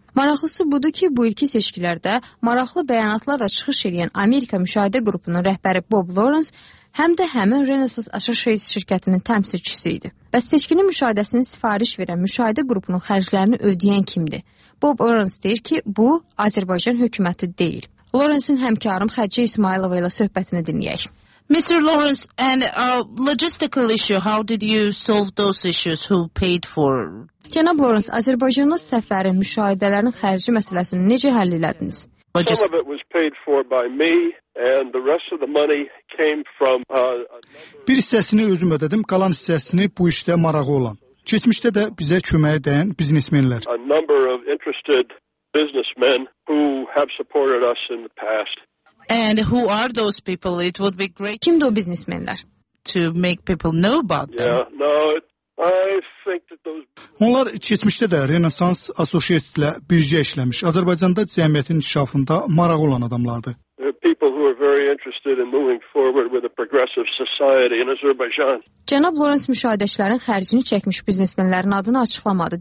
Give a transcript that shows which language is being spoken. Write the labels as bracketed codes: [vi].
[az] Maraqlısı budur ki, bu ilki seçkilərdə maraqlı bəyanatlarla çıxış edən Amerika Müşahidə Qrupunun rəhbəri Bob Lawrence həm də həmin Renaissance Associates şirkətinin təmsilçisi idi. Bəs seçkinin müşahidəsini sifariş verən müşahidə qrupunun xərclərini ödəyən kimdir? Bob Lawrence deyir ki, bu Azərbaycan hökuməti deyil. Lawrence'in həmkarım Xədicə İsmailova ilə söhbətini dinləyək. [en] Mr. Lawrence, and logistical issue, how did you solve those issues? Who paid for? [az] Cənab Lawrence, Azərbaycanın səfəri, müşahidələrin xərci məsələsini necə həll elədiniz? [en] Some of it was paid for by me and the rest of the money came from [az] Bir hissəsini özüm ödədim, qalan hissəsini bu işdə marağı olan. Keçmişdə də bizə köməyə dəyən biznesmenlər. [en] A number of interested businessmen who have supported us in the past. And who are those people? It would be great. [az] Kimdir o biznesmenlər? [en] To make people know about them. Yeah, no, [az] Onlar keçmişdə də Renaissance Associates ilə birgə işləmiş, Azərbaycanda cəmiyyətin inkişafında maraqlı olan adamlardır. Cənab Lawrence müşahidəçilərin xərcini çəkmiş biznesmenlərin adını açıqlamadı.